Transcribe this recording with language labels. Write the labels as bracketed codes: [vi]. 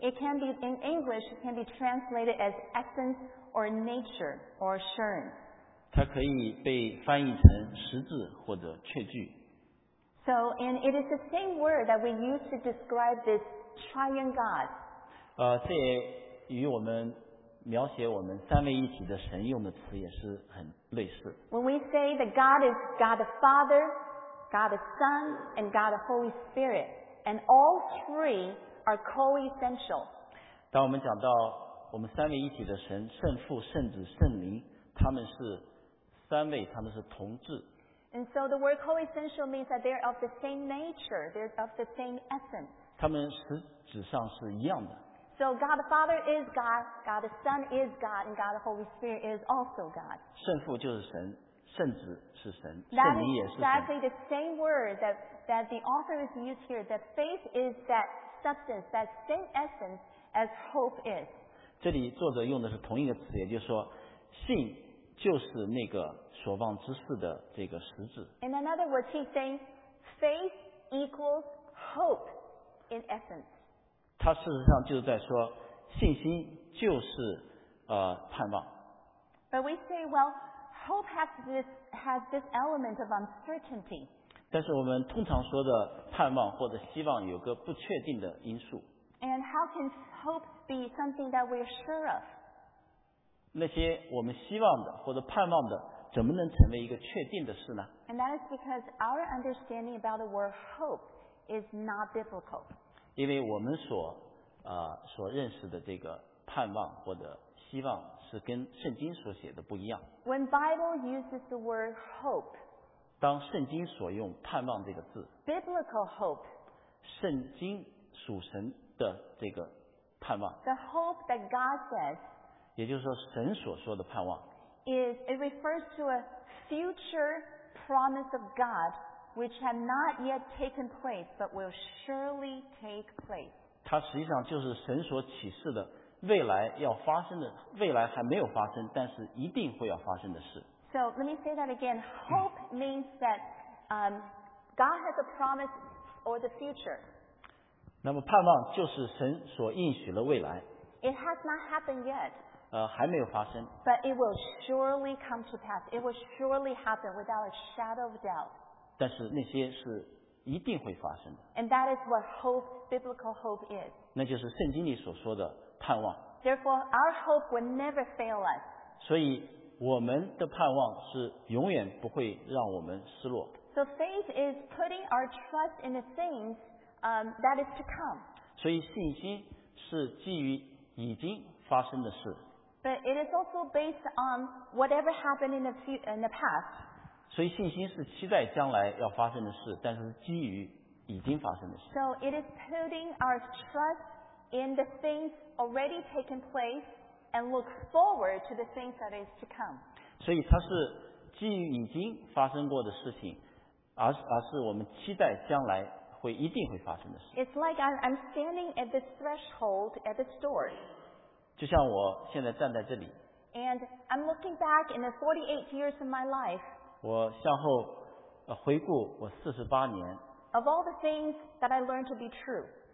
[en] It can be in English, it can be translated as essence or nature or assurance. [zh] 它可以被翻译成实质或者确据。 [en] So, and it is the same word that we use to describe this triune God. [zh] 这也与我们描写我们三位一体的神用的词也是很类似。 [en] When we say that God is God the Father, God the Son, and God the Holy Spirit, and all three are co-essential. [zh] 当我们讲到我们三位一体的神，圣父、圣子、圣灵，他们是三位，他们是同质。 [en] And so the word co-essential means that they're of the same nature, they're of the same essence. [zh] 他们实质上是一样的。 [en] So God the Father is God, God the Son is God, and God the Holy Spirit is also God. [zh] 圣父就是神，圣子是神，圣灵也是神。 [en] That is exactly the same word that the author is used here, that faith is that substance, that same essence as hope is. [zh] 这里作者用的是同一个词，也就是说，信就是那个所望之事的这个实质。 [en] In another word, he's saying faith equals hope in essence. [zh] 他事实上就是在说，信心就是盼望。 [en] But we say, well, hope has this element of uncertainty. [zh] 但是我们通常说的盼望或者希望有个不确定的因素。 [en] And how can hope be something that we're sure of? [zh] 那些我们希望的或者盼望的怎么能成为一个确定的事呢？ [en] And that is because our understanding about the word hope is not biblical. [zh] 因为我们所认识的这个盼望或者希望是跟圣经所写的不一样。 [en] When Bible uses the word hope, [zh] 当圣经所用盼望这个字， [en] biblical hope, [zh] 圣经属神的这个盼望， [en] the hope that God says, [zh] 也就是说神所说的盼望 [en] it refers to a future promise of God which had not yet taken place but will surely take place. [zh] 它实际上就是神所启示的未来要发生的，未来还没有发生但是一定会要发生的事。 [en] So let me say that again. Hope means that God has a promise for the future. [zh] 那么盼望就是神所应许的未来。 [en] It has not happened yet. [zh] 还没有发生。 [en] But it will surely come to pass. It will surely happen without a shadow of doubt. [zh] 但是那些是一定会发生的。 [en] And that is what hope, biblical hope is. [zh] 那就是圣经里所说的盼望。 [en] Therefore, our hope will never fail us. [zh] 所以我们的盼望是永远不会让我们失落。 [en] So faith is putting our trust in the things, that is to come. [zh] 所以信心是基于已经发生的事。 [en] But it is also based on whatever happened in the past. [zh] 所以信心是期待将来要发生的事，但是基于已经发生的事。 [en] So it is putting our trust in the things already taken place and look forward to the things that is to come. [zh] 所以它是基于已经发生过的事情，而是我们期待将来会一定会发生的事。 [en] It's like I'm standing at the threshold at the door. [zh] 就像我现在站在这里。 [en] And I'm looking back in the 48 years of my life. [zh] 我向后回顾我48年。 [en] Of all the things that I learned to be true.